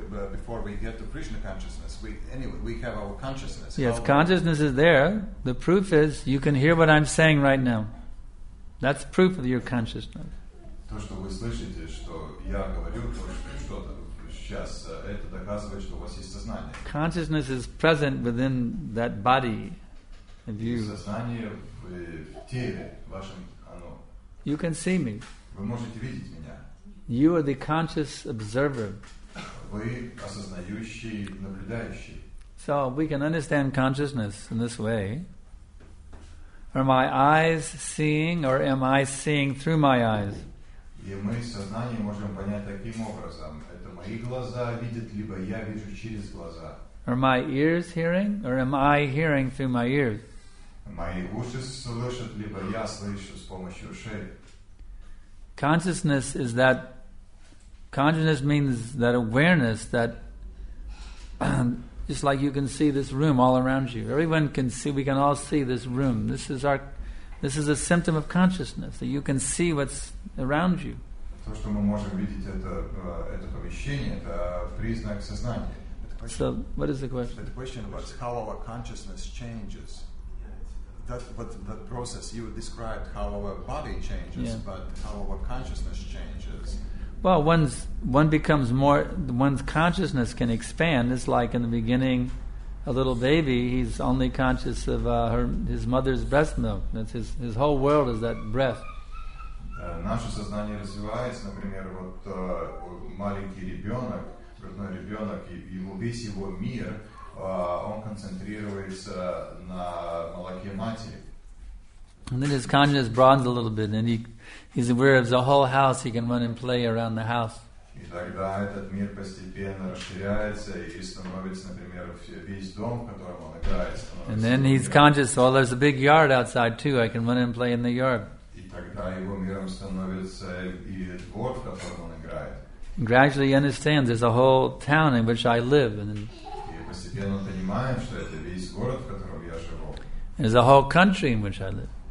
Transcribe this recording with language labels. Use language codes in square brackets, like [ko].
[en] Before we get to Krishna consciousness, we have our consciousness. Yes, consciousness is there. The proof is you can hear what I'm saying right now. That's proof of your consciousness. [ru] То, что вы слышите, что я говорю, что-то сейчас, это доказывает, что у вас есть сознание. [en] Consciousness is present within that body of you. [ru] Сознание в теле вашем, оно. [en] You can see me. [ru] Вы можете видеть меня. [en] You are the conscious observer. [ru] Вы осознающий наблюдающий. [en] So we can understand consciousness in this way. Are my eyes seeing or am I seeing through my eyes? [ru] И мы сознанием можем понять таким образом. Это мои глаза видят, либо я вижу через глаза. [en] Are my ears hearing or am I hearing through my ears? [ru] Мои уши слышат, либо я слышу с помощью ушей. [en] Consciousness is that, consciousness means that awareness that, just like you can see this room all around you. Everyone can see, we can all see this room. This is a symptom of consciousness, that you can see what's around you. [ru] То, что мы можем видеть это помещение, это признак сознания. [en] So, what is the question? The question was how our consciousness changes. That process you described, how our body changes, but how our consciousness changes. Well, one becomes more, one's consciousness can expand. It's like in the beginning, a little baby, he's only conscious of his mother's breast milk. That's his whole world is that breath. [ru] Наше сознание развивается, например, вот маленький ребенок, родной ребенок, его весь его мир, он концентрируется на молоке матери. [en] And then his consciousness broadens a little bit, and he's aware of the whole house. He can run and play around the house. [ru] И тогда этот мир постепенно расширяется и становится, например, весь дом, в котором он играет. [en] And then he's conscious. Well, there's a big yard outside too. I can run and play in the yard. [ru] И тогда его миром становится и двор, в котором он играет. [en] Gradually, he understands there's a whole town in which I live, and [ru] и постепенно понимает, что это весь город, в котором я живу. [en] There's a whole country in which I live.